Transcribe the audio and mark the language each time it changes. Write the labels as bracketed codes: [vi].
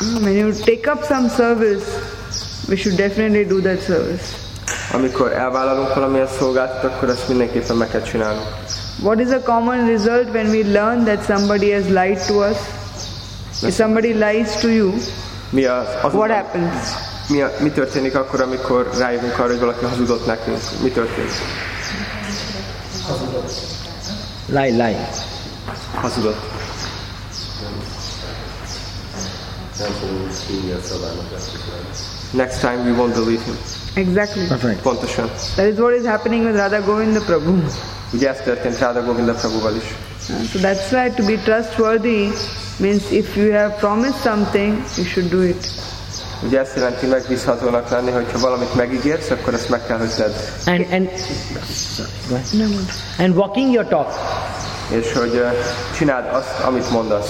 [en] When you take up some service, we should definitely do that service. [hu] Amikor elvállalunk valamilyen szolgáltat, akkor ezt mindenképpen meg kell csinálnunk. [en] What is a common result when we learn that somebody has lied to us? If somebody lies to you, what happens? [hu] Mi történik akkor, amikor rájövünk arra, hogy valaki hazudott nekünk? Mi történik? [en] Lie. [hu] Hazudott. Nem fogunk hívni a szabának. [en] Next time we won't believe him. Exactly. Perfect. [hu] Pontosan. [en] That is what is happening with Radha Govinda Prabhu. [hu] Ugye ezt történt Radha Govinda Prabhuval is. [en] So that's why to be trustworthy means if you have promised something, you should do it. [hu] Ugye ezt jelenti megbízhatónak lenni, hogyha valamit megígérsz, akkor ezt meg kell, hogy tedd. [en] And walking your talk. [hu] És hogy csináld azt, amit mondasz.